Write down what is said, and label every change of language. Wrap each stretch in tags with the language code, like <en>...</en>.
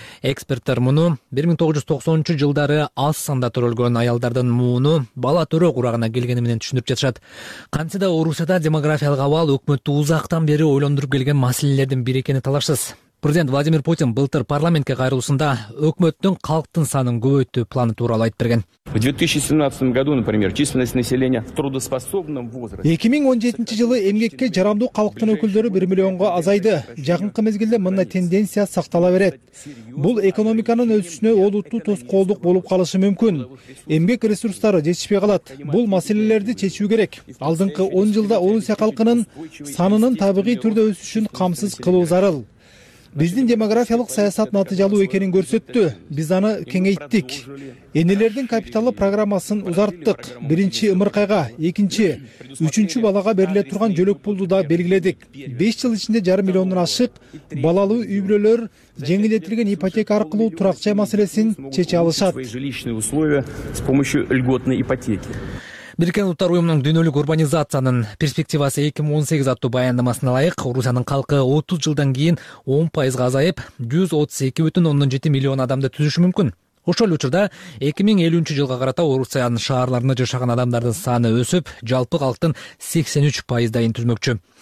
<ky>Эксперттер муну 1990 жылдары аз санда төрөлгөн аялдардын мууну бала төрөө курагына келгени менен түшүндүрүп жатышат. Кантсе да Орусияда демографиялык абал өкмөттү узактан бери ойлондуруп келген маселелердин бири экени талашсыз. Президент Владимир Путин былтыр парламентке кайрылуусунда өкмөттүн калктын санын көбөйтүү планы тууралуу айтып берген.</ky> <ru>В 2017 году, например, численность населения в трудоспособном возрасте.</ru> <ky>2017 жылы эмгекке жарамдуу калктын өкүлдөрү 1 миллионго азайды. Жакынкы мезгилде мындай тенденция сактала берет. Бул экономиканын өсүшүнө олуттуу тоскоолдук болуп калышы мүмкүн. Эмгек ресурстары жетишпей калат. Бул маселелерди чечүү керек. Алдыңкы 10 жылда Орусия калкынын санынын табигый түрдө өсүшүн камсыз кылуу зарыл. Биздин демографиялык саясат натыйжалуу экенин көрсөттү. Биз аны кеңейттик. Энелердин капиталы программасын узарттык. Биринчи ымыркайга, экинчи, үчүнчү балага бериле турган жөлөк пулду да белгиледик. 5 жыл ичинде 500,000 ашып, балалуу үй бүлөлөр жеңилдетилген ипотека аркылуу турак жай маселесин чече алышат.</ky> <ru>Жилищные условия с помощью льготной ипотеки.</ru> <ky>Биркен Улуттар Уюмунун дүйнөлүк урбанизациянын перспективасы 2018 аттуу баяндамасына ылайык, Орусиянын калкы 30 жылдан кийин 10% азайып, 132,7 миллион адамды түзүшү мүмкүн. Ошол учурда 2050 жылга карата Орусиянын шаарларында жашаган адамдардын саны өсүп, жалпы калктын 83% түзмөкчү.</ky>